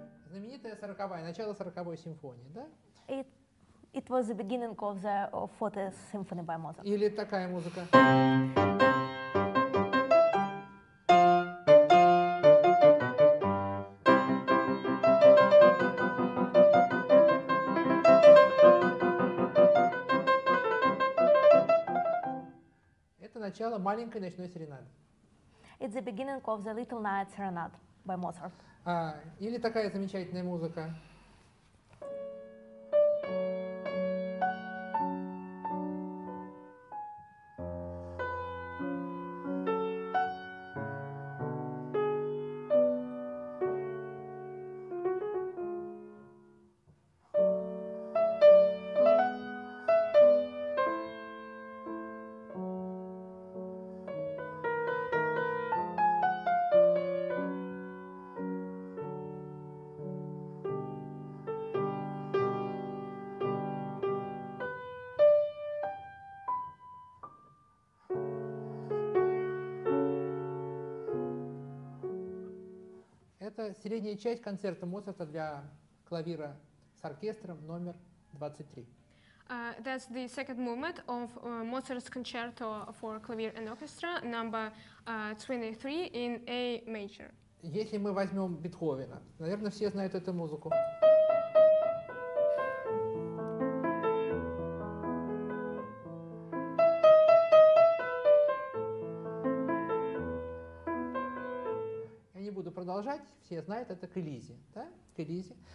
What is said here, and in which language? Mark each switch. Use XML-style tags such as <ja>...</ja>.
<ru>Знаменитая сороковая, начало сороковой симфонии, да?</ru> <en>It was the beginning of the 40th symphony by Mozart.</en> <ru>Или такая музыка. Начало маленькой ночной серенады.</ru> <en>It's the beginning of the Little Night Serenade by Mozart.</en> <ru>Или такая замечательная музыка. средняя часть концерта Моцарта для клавира с оркестром номер 23.</ru> <en>That's the second movement of Mozart's concerto for clavier and orchestra, number 23 in A major.</en> <ru>Если мы возьмем Бетховена, наверное, все знают эту музыку. Я не буду продолжать, все знают, это к Элизе, да? К Элизе.</ru>